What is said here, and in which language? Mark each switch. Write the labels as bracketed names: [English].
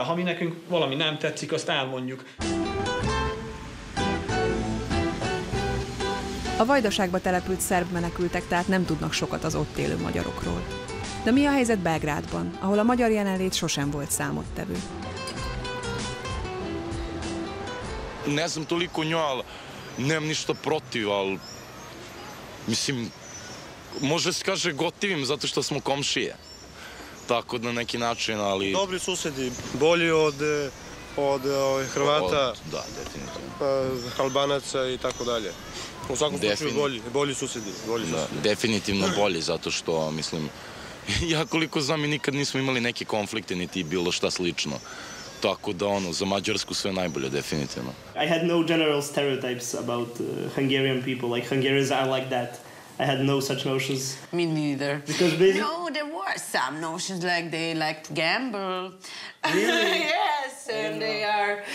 [Hungarian] Ha mi nekünk valami nem tetszik, azt elmondjuk. A Vajdaságba települt szerb menekültek tehát nem tudnak sokat az ott élő magyarokról. De mi a helyzet Belgrádban, ahol a magyar jelenlét sosem volt számottevő? [Serbian] Nem toliko nyal, nem ništa protiv, al mislim može se kaže gotivim zato što smo komšije. Tako da neki način, ali dobri susedi, bolji od Hrvata, da, definitivno. Albanaca i tako dalje. U svakom slučaju bolji susedi, bolji susedi. Definitivno bolji zato što mislim ja koliko znam i nikad nismo imali neke konflikte niti bilo šta slično. Tako da ono za Mađarsku sve najbolje definitivno. [English] I had no general stereotypes about Hungarian people, like Hungarians are like that. I had no such notions. Me neither. Because basically... No, there were some notions like they like to gamble. Really? Yes, and they are.